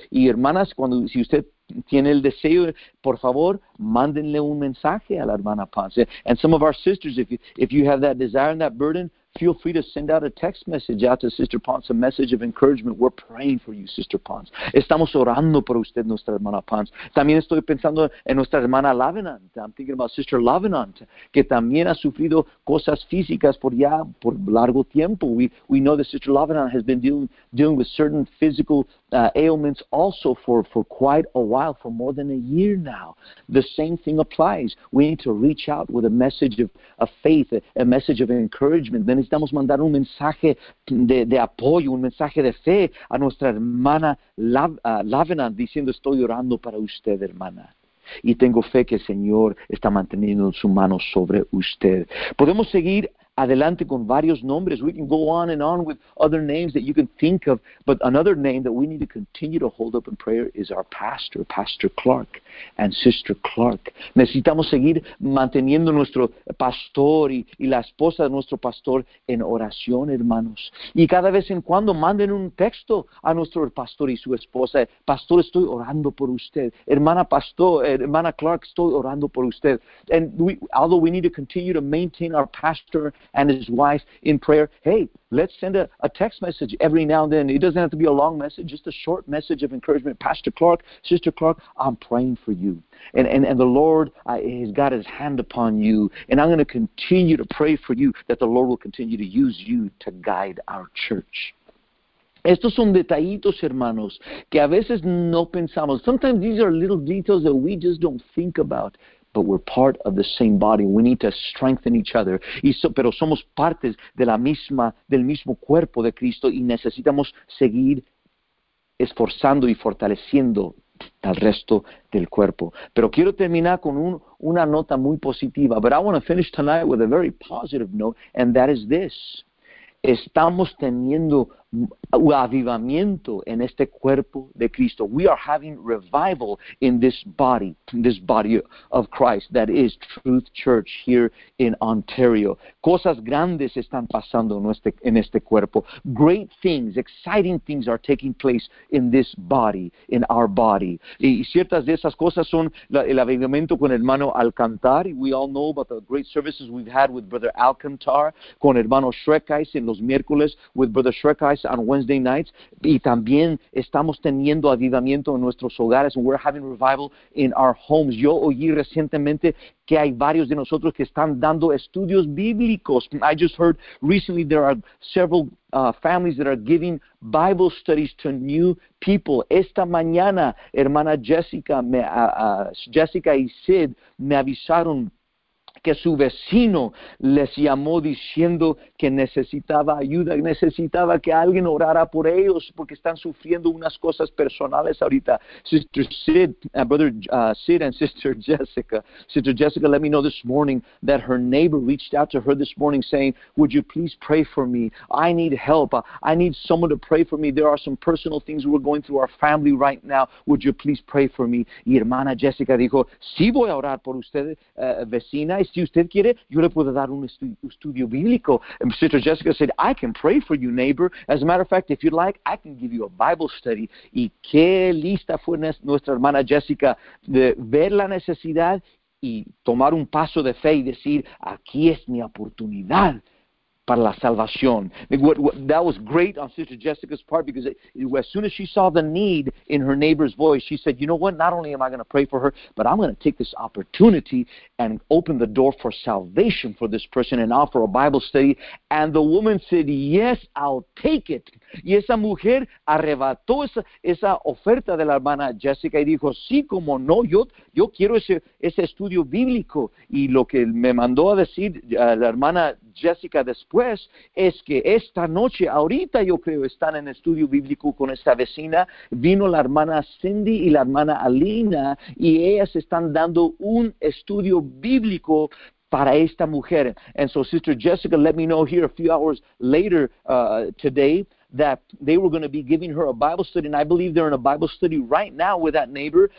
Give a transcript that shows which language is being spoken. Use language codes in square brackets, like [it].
[es] Y hermanas, si usted tiene el deseo, por favor, mándenle un mensaje a la hermana Ponce. [en] And some of our sisters, if you have that desire and that burden, feel free to send out a text message out to Sister Ponce, a message of encouragement. We're praying for you, Sister Ponce. [es] Estamos orando por usted, nuestra hermana Ponce. También estoy pensando en nuestra hermana Lavenant. [en] I'm thinking about Sister Lavenant, [es] que también ha sufrido cosas físicas por largo tiempo. [en] We know that Sister Lavenant has been dealing with certain physical ailments also for quite a while, for more than a year now. The same thing applies. We need to reach out with a message of faith, a message of encouragement. [es] Necesitamos mandar un mensaje de apoyo, un mensaje de fe a nuestra hermana Lavenant, diciendo, estoy orando para usted, hermana. Y tengo fe que el Señor está manteniendo su mano sobre usted. Podemos seguir adelante con varios nombres. [en] We can go on and on with other names that you can think of. But another name that we need to continue to hold up in prayer is our pastor, Pastor Clark and Sister Clark. [es] Necesitamos seguir manteniendo nuestro pastor y la esposa de nuestro pastor en oración, hermanos. Y cada vez en cuando manden un texto a nuestro pastor y su esposa. Pastor, estoy orando por usted. Hermana pastor, hermana Clark, estoy orando por usted. [en] And although we need to continue to maintain our pastor and his wife in prayer, hey, let's send a text message every now and then. It doesn't have to be a long message, just a short message of encouragement. Pastor Clark, Sister Clark, I'm praying for you. And the Lord has got his hand upon you. And I'm going to continue to pray for you, that the Lord will continue to use you to guide our church. [es] Estos son detallitos, hermanos, que a veces no pensamos. [en] Sometimes these are little details that we just don't think about. But we're part of the same body. We need to strengthen each other. [es] Pero somos partes del mismo cuerpo de Cristo y necesitamos seguir esforzando y fortaleciendo al resto del cuerpo. Pero quiero terminar con una nota muy positiva. [en] But I want to finish tonight with a very positive note, and that is this. [es] Estamos teniendo un avivamiento en este cuerpo de Cristo. [en] We are having revival in this body of Christ, that is Truth Church here in Ontario. [es] Cosas grandes están pasando en este cuerpo. [en] Great things, exciting things are taking place in this body, in our body. [es] Y ciertas de esas cosas son el avivamiento con hermano Alcantar. [en] We all know about the great services we've had with Brother Alcantar, [es] con hermano Schreckeis en los miércoles, [en] with Brother Schreckeis on Wednesday nights, [es] y también estamos teniendo avivamiento en nuestros hogares, [en] and we're having revival in our homes. [es] Yo oí recientemente que hay varios de nosotros que están dando estudios bíblicos. [en] I just heard recently there are several families that are giving Bible studies to new people. [es] Esta mañana, hermana Jessica, Jessica y Sid me avisaron que su vecino les llamó diciendo que necesitaba ayuda, necesitaba que alguien orara por ellos porque están sufriendo unas cosas personales ahorita. [en] Sister Sid, Brother Sid and Sister Jessica let me know this morning that her neighbor reached out to her this morning saying, would you please pray for me? I need help. I need someone to pray for me. There are some personal things we're going through our family right now. Would you please pray for me? [es] Y hermana Jessica dijo, sí voy a orar por usted, vecina. Si usted quiere, yo le puedo dar un estudio bíblico. [en] And Sister Jessica said, I can pray for you, neighbor. As a matter of fact, if you'd like, I can give you a Bible study. [es] Y qué lista fue nuestra hermana Jessica de ver la necesidad y tomar un paso de fe y decir, aquí es mi oportunidad para la salvación. [en] That was great on Sister Jessica's part, because as soon as she saw the need in her neighbor's voice, she said, you know what, not only am I going to pray for her, but I'm going to take this opportunity and open the door for salvation for this person and offer a Bible study. And the woman said, yes, I'll take it. [es] Y esa mujer arrebató esa oferta de la hermana Jessica y dijo, sí, como no, yo quiero ese estudio bíblico. Y lo que me mandó a decir la hermana Jessica después es que esta noche, ahorita yo creo, están en estudio bíblico con esta vecina. Vino la hermana Cindy y la hermana Alina y ellas están dando un estudio bíblico para esta mujer. [en] And so Sister Jessica let me know here a few hours later today that they were going to be giving her a Bible study, and I believe they're in a Bible study right now with that neighbor.